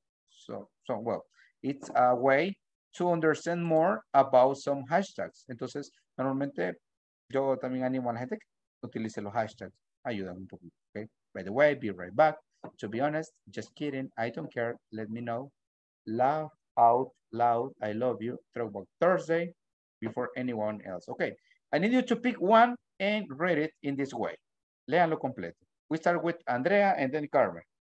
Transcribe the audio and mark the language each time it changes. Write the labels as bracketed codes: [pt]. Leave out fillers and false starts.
[en] So, well, it's a way to understand more about some hashtags. [es] Entonces, normalmente, yo también animo a la gente que utilice los hashtags. Ayudan un poquito, [en] okay? By the way, be right back. To be honest, just kidding, I don't care. Let me know. Love. Out loud, I love you, Throwback Thursday, before anyone else. Okay, I need you to pick one and read it in this way. [es] Léanlo completo. [en] We start with Andrea and then Carmen.